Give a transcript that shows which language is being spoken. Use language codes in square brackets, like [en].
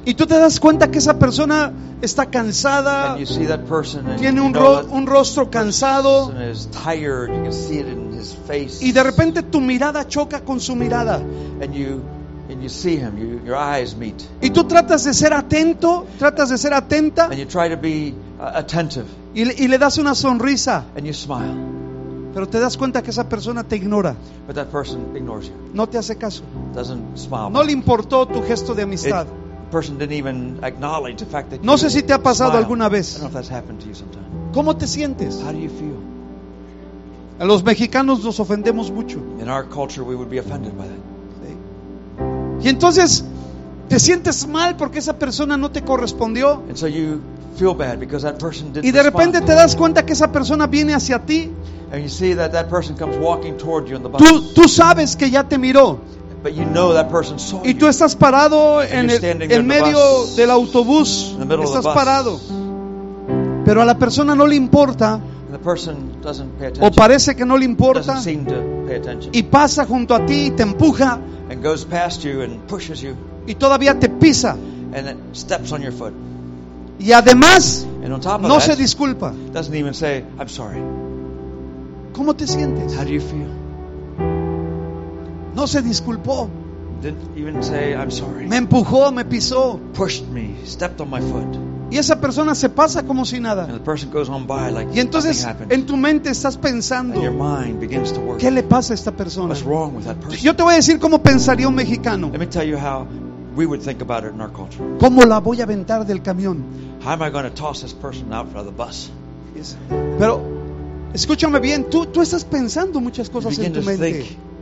[es] y tú te das cuenta que esa persona está cansada, [en] and you see that person, and [es] tiene un rostro cansado, [en] is tired, you can see it in his face, [es] y de repente tu mirada choca con su mirada, [en] and you see him, your eyes meet, [es] y tú tratas de ser atento, tratas de ser atenta, [en] and you try to be attentive, [es] y le das una sonrisa, [en] and you smile. [es] Pero te das cuenta que esa persona te ignora. [en] But that person ignores you. [es] No te hace caso. [en] Doesn't smile. [es] No le importó tu gesto de amistad. [en] The person didn't even acknowledge the fact that [es] no sé si te ha pasado alguna vez. [en] I don't know if that's happened to you sometime. [es] ¿Cómo te sientes? [en] How do you feel? [es] A los mexicanos nos ofendemos mucho. [en] In our culture we would be offended by that. [es] ¿Sí? Y entonces te sientes mal porque esa persona no te correspondió. [en] And so you feel bad because that person didn't [es] y de repente [en] respond. [es] Te das cuenta que esa persona viene hacia ti. [en] And you see that person comes walking toward you in the bus. [es] Tú sabes que ya te miró. [en] But you know that person saw you. [es] Y tú estás parado en medio del autobús. [en] In the middle [es] estás [en] of the bus. [es] Parado. Pero a la persona no le importa. [en] And the person doesn't pay attention. [es] O parece que no le importa. [en] Doesn't seem to pay attention. [es] Y pasa junto a ti y te empuja. [en] And goes past you and pushes you. [es] Y todavía te pisa. [en] And it steps on your foot. [es] Y además, [en] and on top of [es] no [en] that, [es] se disculpa. [en] Doesn't even say, I'm sorry. [es] ¿Cómo te sientes? [en] How do you feel? [es] No se disculpó. [en] Didn't even say I'm sorry. [es] Me empujó, me pisó. [en] Pushed me, stepped on my foot. [es] Y esa persona se pasa como si nada. [en] And the person goes on by like [es] y entonces [en] nothing happened. [es] En tu mente estás pensando, [en] and your mind begins to work. [es] ¿Qué le pasa a esta persona? [en] What's wrong with that person? [es] Yo te voy a decir cómo pensaría un mexicano. [en] Let me tell you how we would think about it in our culture. [es] ¿Cómo la voy a aventar del camión? [en] How am I going to toss this person out of the bus? Yes. [es] Pero escúchame bien, tú estás pensando muchas cosas en tu mente.